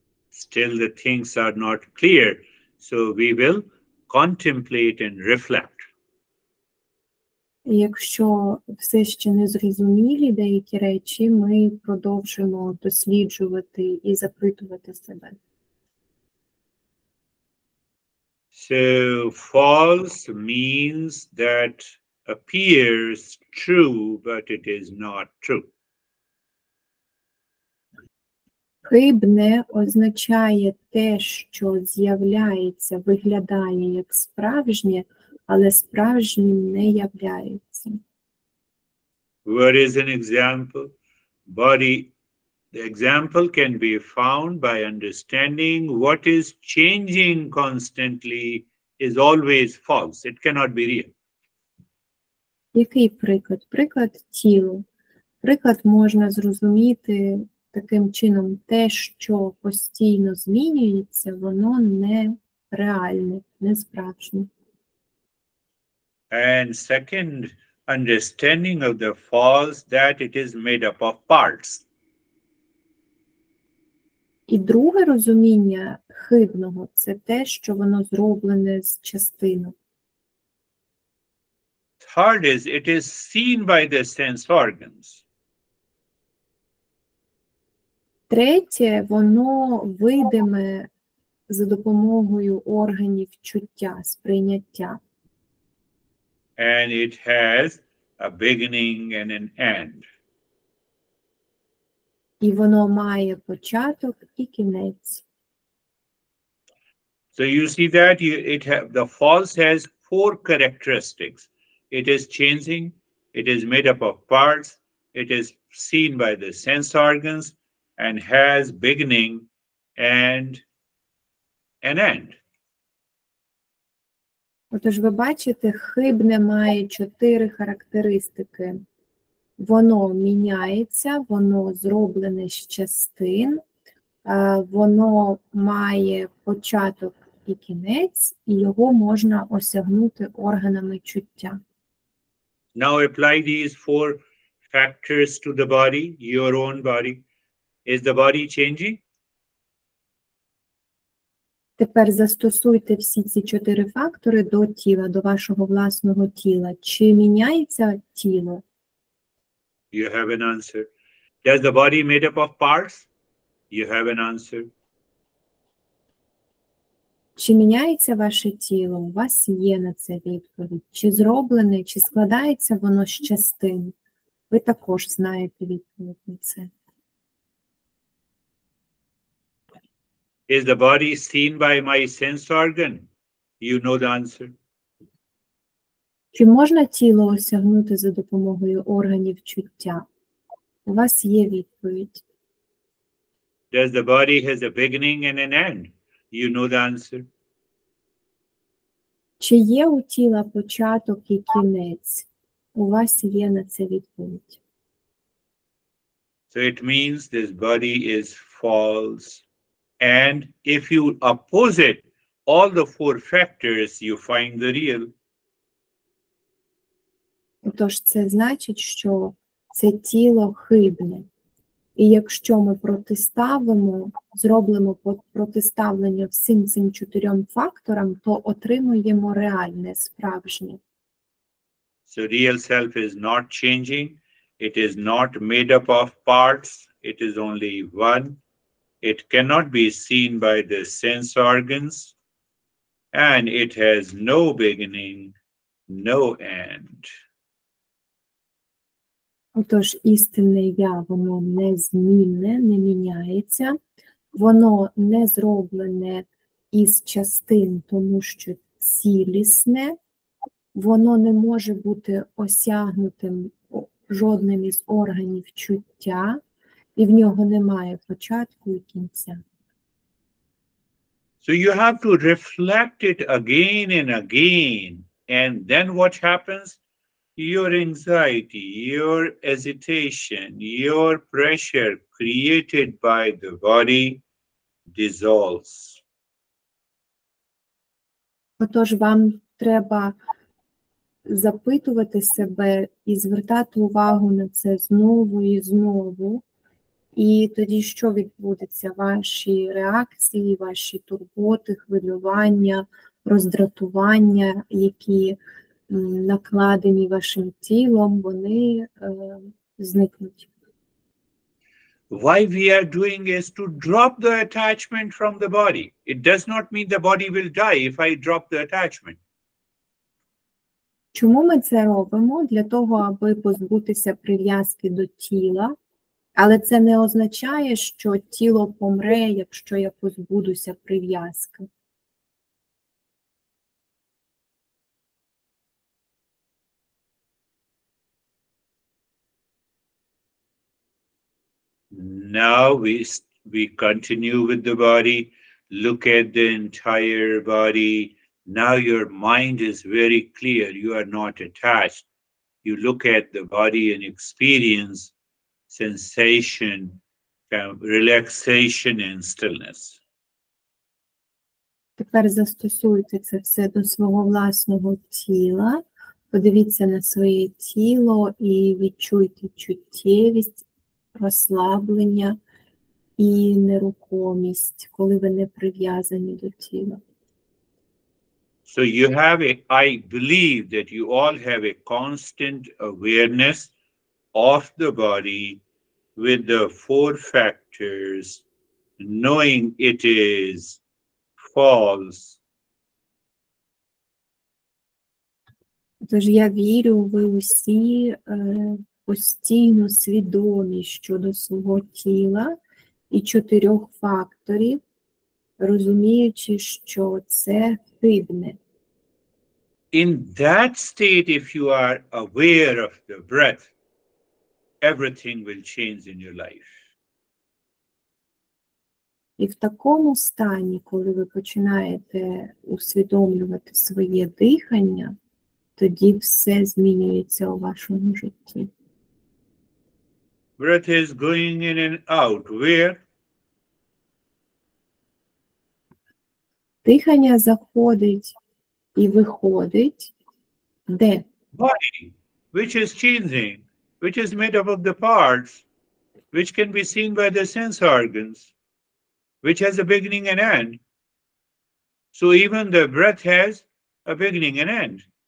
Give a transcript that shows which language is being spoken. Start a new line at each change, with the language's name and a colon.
English: Still the things are not clear, so we will contemplate and reflect.
Ukrainian: Якщо все ще не зрозумілі деякі речі, ми продовжимо досліджувати і запитувати себе.
English: So false means that appears true, but it is not true.
Ukrainian: Хибне означає те, що з'являється, виглядає як справжнє, але справжнім не являється.
English: What is an example? body. The example can be found by understanding what is changing constantly is always false. It cannot be real.
Ukrainian: Який приклад? Приклад тіла. Приклад можна зрозуміти таким чином. Те, що постійно змінюється, воно не реальне, не справжнє.
English: And second, understanding of the false that it is made up of parts.
Ukrainian: І друге розуміння хибного – це те, що воно зроблене з частинок.
English: Third is, it is seen by the sense organs.
Ukrainian: Третє, воно видиме за допомогою органів чуття, сприйняття.
English: And it has a beginning and an end.
Ukrainian: І воно має початок і кінець.
English: So you see that the false has four characteristics. It is changing, it is made up of parts, it is seen by the sense organs, and has beginning and an end.
Ukrainian: Отож, ви бачите, хибне має чотири характеристики. Воно міняється, воно зроблене з частин, воно має початок і кінець, і його можна осягнути органами чуття.
English: Now apply these four factors to the body, your own body. Is the body changing?
Ukrainian: Тепер застосуйте всі ці чотири фактори до тіла, до вашого власного тіла. Чи міняється тіло?
English: You have an answer. Does the body made up of parts? You have an answer.
Ukrainian: Чи міняється ваше тіло? У вас є на це відповідь. Чи зроблене, чи складається воно з частин? Ви також знаєте відповідь на це.
English: Is the body seen by my sense organ? You know the answer.
Ukrainian: Чи можна тіло осягнути за допомогою органів чуття? У вас є відповідь.
English: Does the body has a beginning and an end? You know the answer.
Ukrainian: Чи є у тіла початок і кінець? У вас є на це відповідь.
English: So it means this body is false. And if you oppose it, all the four factors, you find the real.
Ukrainian: Отож, це значить, що це тіло хибне. І якщо ми протиставимо, зроблено протиставлення всім цим чотирьом факторам, то отримуємо реальне, справжнє.
English: So real self is not changing. It is not made up of parts. It is only one. It cannot be seen by the sense organs. And it has no beginning, no end.
Ukrainian: Отож, істинне я, воно незмінне, не міняється. Воно не зроблене із частин, тому що цілісне. Воно не може бути осягнутим жодним із органів чуття. І в нього немає початку і кінця.
English: So you have to reflect it again and again. And then what happens? Your anxiety, your hesitation, your pressure created by the body dissolves.
Ukrainian: Отож, вам треба запитувати себе і звертати увагу на це знову і знову. І тоді що відбудеться? Ваші реакції, ваші турботи, хвилювання, роздратування, які накладені вашим тілом, вони зникнуть.
English: Why we are doing is to drop the attachment from the body. It does not mean the body will die if I drop the attachment.
Ukrainian: Чому ми це робимо? Для того, аби позбутися прив'язки до тіла. Але це не означає, що тіло помре, якщо я позбудуся прив'язки.
English: Now we continue with the body. Look at the entire body. Now your mind is very clear. You are not attached. You look at the body and experience sensation, relaxation and stillness.
Ukrainian: Тепер застосуйте це все до свого власного тіла. Подивіться на своє тіло і відчуйте чуттєвість, розслаблення і нерухомість, коли ви не прив'язані до тіла.
English: So you have I believe that you all have a constant awareness of the body with the four factors, knowing it is false.
Ukrainian: Тож я вірю, ви усі постійно свідомі щодо свого тіла і чотирьох факторів, розуміючи, що це хибне.
English: In that state, if you are aware of the breath, everything will change in your life.
Ukrainian: І в такому стані, коли ви починаєте усвідомлювати своє дихання, тоді все змінюється у вашому житті.
English: Breath is going in and out. Where?
Ukrainian: Дихання заходить і виходить. Де?
English: Body, which is changing, which is made up of the parts, which can be seen by the sense organs, which has a beginning and end. So even the breath has a beginning and end.